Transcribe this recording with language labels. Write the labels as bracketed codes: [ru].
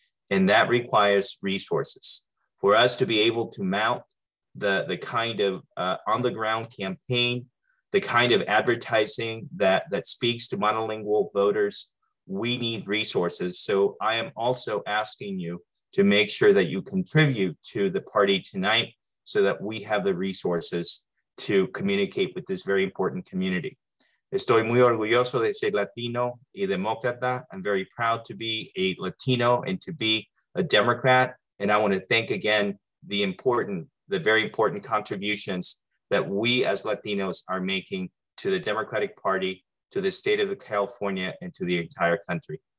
[en] And that requires resources. For us to be able to mount the kind of on-the-ground campaign, the kind of advertising that speaks to monolingual voters, we need resources. So I am also asking you to make sure that you contribute to the party tonight so that we have the resources to communicate with this very important community. [es] Estoy muy orgulloso de ser Latino y demócrata. [en] I'm very proud to be a Latino and to be a Democrat. And I want to thank again the very important contributions that we as Latinos are making to the Democratic Party, to the state of California, and to the entire country.